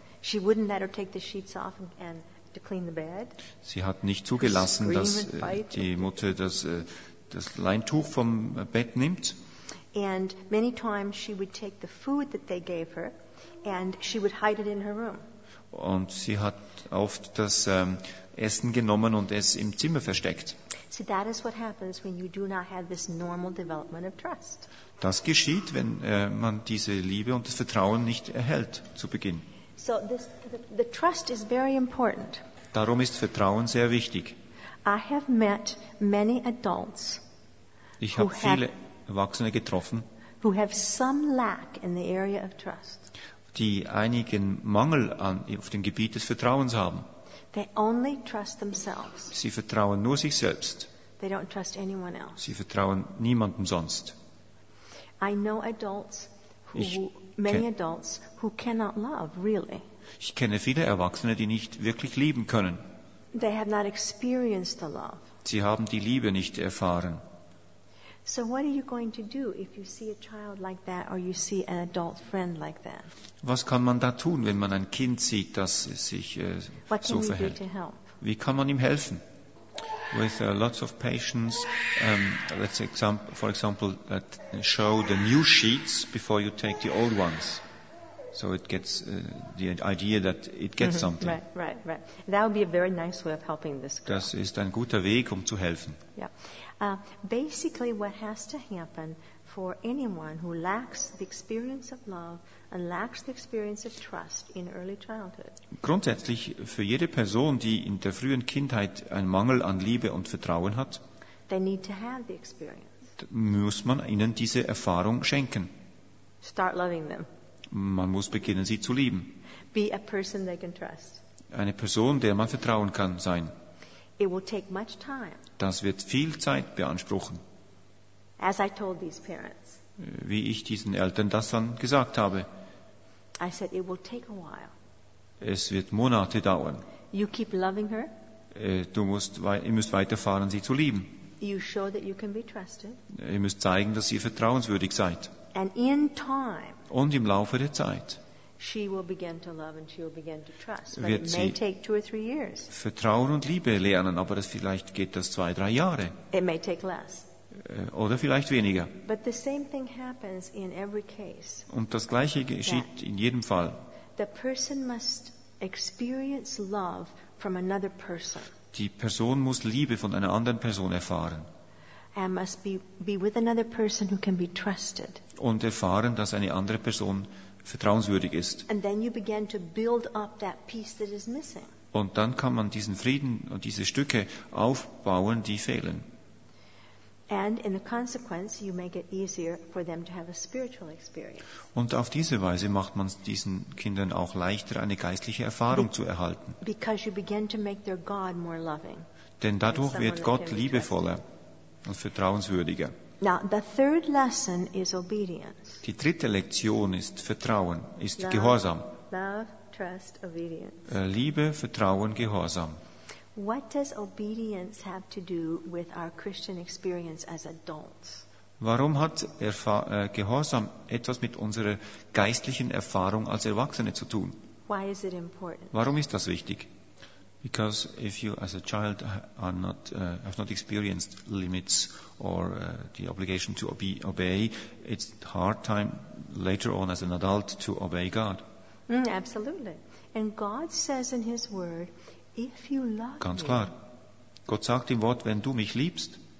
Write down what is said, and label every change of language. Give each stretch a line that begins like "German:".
English: She wouldn't let her take the sheets off and to clean the bed.
German: Sie hat nicht zugelassen, dass die Mutter das Leintuch vom Bett nimmt.
English: And many times she would take the food that they gave her and she would hide it in her room.
German: Und sie hat oft das Essen genommen und es im Zimmer versteckt.
English: See, that is what happens when you do not have this normal development of trust.
German: Das geschieht, wenn man diese Liebe und das Vertrauen nicht erhält zu Beginn.
English: So the trust is very important.
German: Darum ist Vertrauen sehr wichtig.
English: I have met many adults.
German: Ich habe viele Erwachsene getroffen,
English: who have some lack in the area of trust.
German: Die einigen Mangel auf dem Gebiet des Vertrauens haben.
English: They only trust themselves.
German: Sie vertrauen nur sich selbst.
English: They don't trust anyone else.
German: Sie vertrauen niemandem sonst.
English: I know adults who, many adults who cannot love really.
German: Ich kenne viele Erwachsene, die nicht wirklich lieben können.
English: They have not experienced the love.
German: Sie haben die Liebe nicht erfahren.
English: So what are you going to do if you see a child like that or you see an adult friend like that?
German: Was kann man da tun, wenn man ein Kind sieht, das sich so verhält? Wie kann man ihm helfen?
English: With lots of patience, let's for example, show the new sheets before you take the old ones. So it gets the idea that it gets something. Right. That would be a very nice way of helping this girl.
German: Das ist ein guter Weg, um zu helfen.
English: Yeah. Basically what has to happen for anyone who lacks the experience of love and lacks the experience of trust in early childhood.
German: Grundsätzlich für jede Person, die in der frühen Kindheit einen Mangel an Liebe und Vertrauen hat,
English: they need to have the experience.
German: Muss man ihnen diese Erfahrung schenken.
English: Start loving them.
German: Man muss beginnen, sie zu lieben.
English: Be a person they can trust.
German: Eine Person, der man vertrauen kann, sein.
English: It will take much time.
German: Das wird viel Zeit beanspruchen.
English: As I told these parents,
German: wie ich diesen Eltern das dann gesagt habe.
English: I said, it will take a while.
German: Es wird Monate dauern.
English: You keep loving her.
German: Ihr müsst weiterfahren, sie zu lieben.
English: You show that you can be trusted.
German: Ihr müsst zeigen, dass ihr vertrauenswürdig seid.
English: And in time,
German: und im Laufe der Zeit
English: she will begin to love and she will begin to trust, but it may take 2 or 3 years.
German: Vertrauen und Liebe lernen, aber das vielleicht geht das 2-3 Jahre.
English: It may take less.
German: Oder vielleicht weniger.
English: But the same thing happens in every case.
German: Und das gleiche geschieht in jedem Fall.
English: The person must experience love from another person.
German: Die Person muss Liebe von einer anderen Person erfahren.
English: And must be with another person who can be trusted.
German: Und erfahren, dass eine andere Person vertrauenswürdig ist.
English: And then you begin to build up that piece that is missing.
German: Und dann kann man diesen Frieden und diese Stücke aufbauen, die fehlen.
English: And in the consequence you make it easier for them to have a spiritual experience.
German: Und auf diese Weise macht man es diesen Kindern auch leichter, eine geistliche Erfahrung zu erhalten.
English: Because you begin to make their God more loving.
German: Denn dadurch wird Gott liebevoller und vertrauenswürdiger.
English: Now, the third lesson is obedience.
German: Die dritte Lektion ist Vertrauen, ist love, Gehorsam.
English: Love, trust, obedience.
German: Liebe, Vertrauen, Gehorsam.
English: What does obedience have to do with our Christian experience as adults?
German: Warum hat Gehorsam etwas mit unserer geistlichen Erfahrung als Erwachsene zu tun?
English: Why is it important?
German: Warum ist das wichtig?
English: Because if you as a child have not experienced limits or the obligation to obey, it's hard time later on as an adult to obey God. Absolutely. And God says in his word, if you love me.
German: Ganz klar. Gott sagt im Wort, wenn du mich liebst,